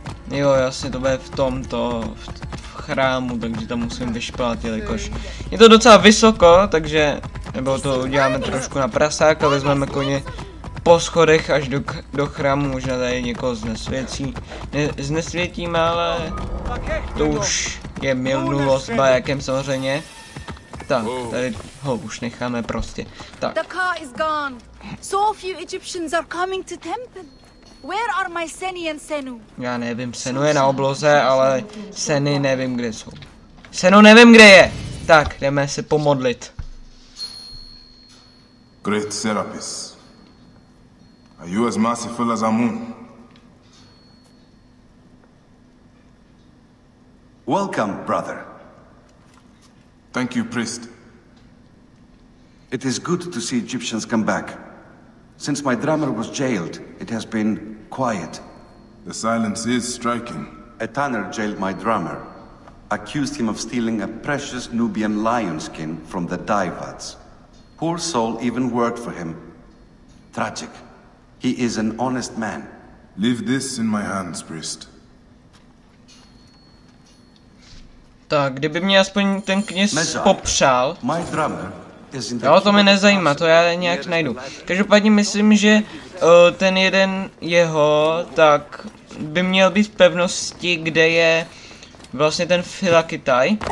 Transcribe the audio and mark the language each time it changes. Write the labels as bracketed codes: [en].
[cs] Jo, jasně, to bude v tomto, v chrámu, takže tam musím vyšplat, jelikož je to docela vysoko, takže nebo to uděláme trošku na prasák a vezmeme koně po schodech až do chrámu, možná tady někoho znesvětím, ale to už je minulost, bajakem samozřejmě. Tak, tady ho už necháme prostě. Tak. [en] The car is gone. So few Egyptians are coming to temple. Where are my Seni and Senu? Já nevím, Senu je na obloze, ale Seni nevím, kde jsou. Senu nevím, kde je. Tak, jdeme se pomodlit. Great Serapis. Are you as merciful as Amun? Welcome, brother. Thank you, priest. It is good to see Egyptians come back. Since my drummer was jailed, it has been quiet. The silence is striking. A tanner jailed my drummer, accused him of stealing a precious Nubian lion skin from the Daivats. Poor soul even worked for him. Tragic. He is an honest man. Leave this in my hands, priest. [cs] Tak, kdyby mě aspoň ten kněz popřál. Jo, to mě nezajímá, to já nějak najdu. Každopádně myslím, že ten jeden jeho, tak by měl být v pevnosti, kde je vlastně ten Felakitai.